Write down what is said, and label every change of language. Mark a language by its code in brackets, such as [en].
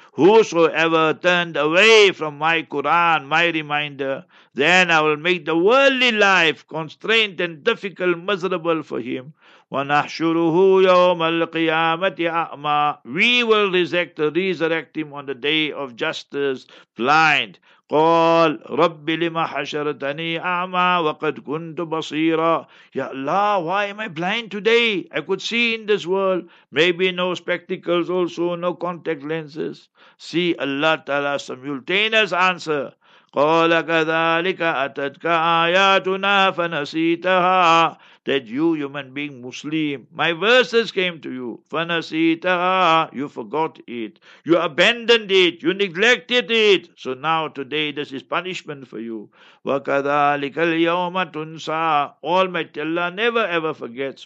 [en] Whosoever turned away from my Quran, my reminder, then I will make the worldly life constrained and difficult, miserable for him. [ar] وَنَحْشُرُهُ يَوْمَ الْقِيَامَةِ أَعْمَى. [en] We will resurrect him on the day of justice, blind. [ar] قال ربي لما حشرتني أعمى وقد كنت بصيرا. [en] Ya Allah, why am I blind today? I could see in this world. Maybe no spectacles also, no contact lenses. See Allah Ta'ala's simultaneous answer. [ar] قال كذلك أتتك آياتنا فنسيتها. [en] That you, human being, Muslim, my verses came to you. [ar] فَنَسِيْتَهَا. [en] You forgot it. You abandoned it. You neglected it. So now today, this is punishment for you. [ar] وَكَذَلِكَ الْيَوْمَ تُنْسَى. [en] Almighty Allah never ever forgets.